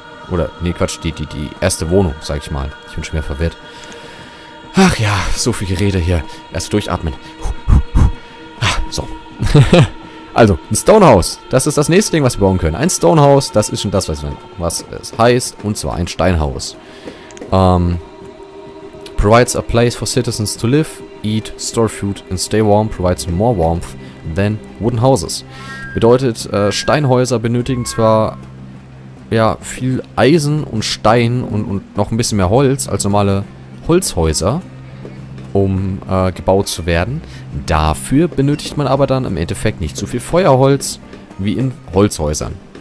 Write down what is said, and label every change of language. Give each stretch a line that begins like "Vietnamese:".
German: Oder, nee, Quatsch, die erste Wohnung, sag ich mal. Ich bin schon mehr verwirrt. Ach ja, so viel Gerede hier. Erst durchatmen. Ach, so. Also, ein Stonehouse. Das ist das nächste Ding, was wir bauen können. Ein Stonehouse, das ist schon das, was es heißt. Und zwar ein Steinhaus.
English: Provides a place for citizens to live, eat, store food and stay warm. Provides more warmth than wooden houses.
German: Bedeutet, Steinhäuser benötigen zwar ja viel Eisen und Stein und noch ein bisschen mehr Holz als normale Holzhäuser, um gebaut zu werden. Dafür benötigt man aber dann im Endeffekt nicht so viel Feuerholz wie in Holzhäusern.